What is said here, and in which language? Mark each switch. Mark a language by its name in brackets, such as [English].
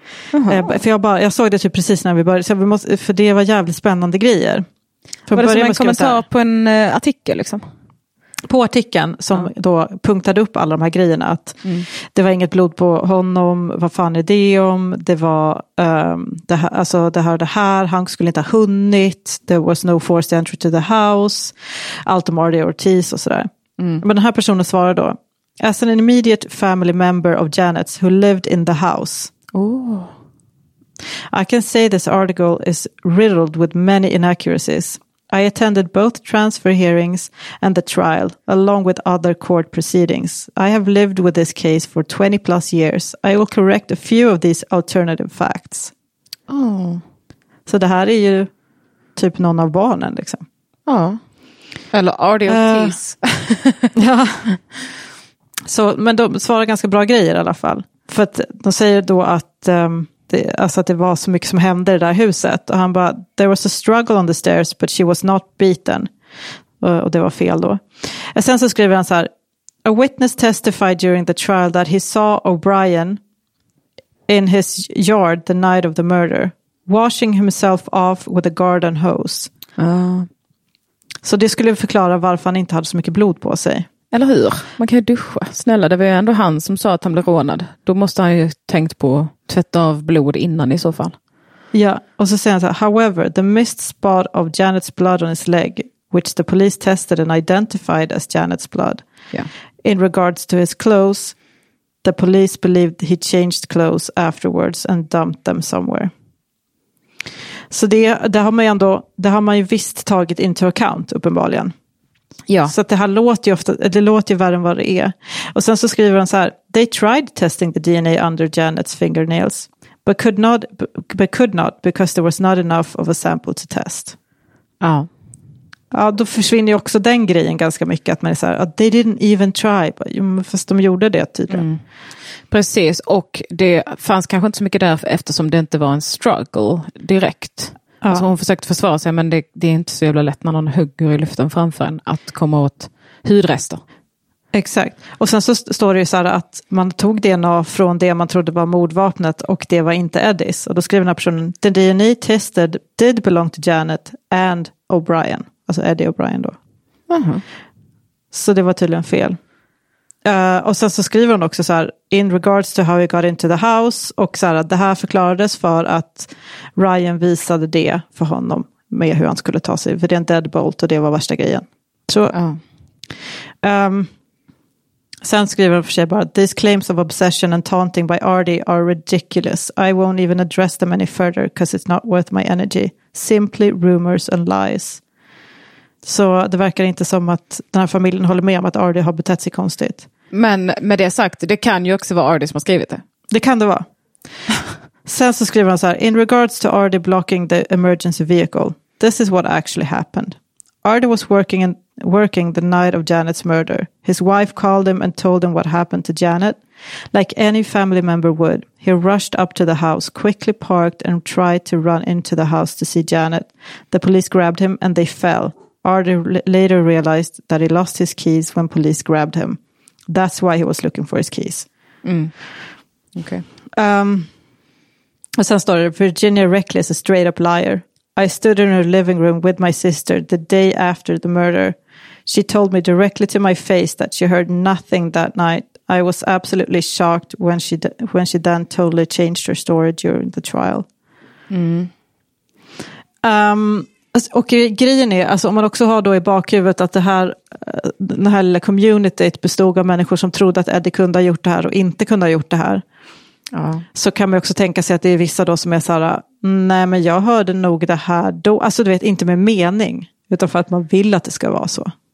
[Swedish] För jag såg det typ precis när vi började. Så vi måste, för det var jävligt spännande grejer. För var det som en kommentar på en artikel? Liksom? På artikeln som då punktade upp alla de här grejerna. Att det var inget blod på honom. Vad fan är det om? Det var det här, alltså det här och det här. Han skulle inte ha hunnit. [English] There was no forced entry to the house. [Swedish] Allt om Artie Ortiz och sådär. Men den här personen svarade då: [English] as an immediate family member of Janet's who lived in the house. I can say this article is riddled with many inaccuracies. I attended both transfer hearings and the trial, along with other court proceedings. I have lived with this case for 20 plus years. I will correct a few of these alternative facts. Oh. [Swedish] Så det här är ju typ någon av barnen, liksom. Ja. Oh. Eller Artie Ortiz. Ja. Så, men de svarar ganska bra grejer i alla fall. För att de säger då att... det, alltså att det var så mycket som hände i det där huset. Och han bara, [English] there was a struggle on the stairs, but she was not beaten. [Swedish] Och det var fel då. Och sen så skriver han så här: [English] a witness testified during the trial that he saw O'Brien in his yard the night of the murder, washing himself off with a garden hose. [Swedish] Så det skulle förklara varför han inte hade så mycket blod på sig. Eller hur? Man kan ju duscha. Snälla, det var ju ändå han som sa att han blev rånad. Då måste han ju tänkt på att tvätta av blod innan i så fall. Ja, och så säger han så här: [English] however, the missed spot of Janet's blood on his leg, which the police tested and identified as Janet's blood. Yeah. In regards to his clothes, the police believed he changed clothes afterwards and dumped them somewhere. [Swedish] Så det har man ju ändå, det har man ju visst tagit [English] into account, [Swedish] uppenbarligen. Ja. Så att det här låter ju ofta, det låter ju värre än vad det är. Och sen så skriver han så här: [English] they tried testing the DNA under Janet's fingernails, but could not because there was not enough of a sample to test. [Swedish] Ja. Ja, då försvinner ju också den grejen ganska mycket, att man är så här, [English] they didn't even try, [Swedish] fast de gjorde det tydligen. Precis, och det fanns kanske inte så mycket där eftersom det inte var en struggle direkt. Ja. Alltså hon försökte försvara sig, men det är inte så jävla lätt när någon hugger i luften framför en att komma åt hudrester. Exakt. Och sen så står det ju så här att man tog DNA från det man trodde var mordvapnet och det var inte Eddies. Och då skriver den här personen: [English] the DNA tested did belong to Janet and O'Brien. [Swedish] Alltså Eddie O'Brien då. Så det var tydligen fel. Och sen så skriver hon också så här: [English] in regards to how he got into the house, [Swedish] och så här, det här förklarades för att Ryan visade det för honom med hur han skulle ta sig, för det är en deadbolt och det var värsta grejen. Så sen skriver hon för sig bara: [English] these claims of obsession and taunting by Artie are ridiculous. I won't even address them any further because it's not worth my energy. Simply rumors and lies. [Swedish] Så det verkar inte som att den här familjen håller med om att Artie har betett sig konstigt. Men med det sagt, det kan ju också vara Artie som har skrivit det. Det kan det vara. Sen så skriver han så här: [English] in regards to Artie blocking the emergency vehicle, This is what actually happened. Arda was working the night of Janet's murder. His wife called him and told him what happened to Janet. Like any family member would, he rushed up to the house, quickly parked, and tried to run into the house to see Janet. The police grabbed him and they fell. Arda later realized that he lost his keys when police grabbed him. That's why he was looking for his keys. Mm. Okay. [Swedish] Och sen står det, Virginia Reckless, [English] a straight up liar. I stood in her living room with my sister the day after the murder. She told me directly to my face that she heard nothing that night. I was absolutely shocked when she then totally changed her story during the trial. Mm. [Swedish] Och grejen är, alltså, om man också har då i bakhuvudet att den här lilla communityt bestod av människor som trodde att Eddie kunde ha gjort det här och inte kunde ha gjort det här. Ja. Så kan man också tänka sig att det är vissa då som är så här, nej men jag hörde nog det här då, alltså du vet, inte med mening utan för att man vill att det ska vara så.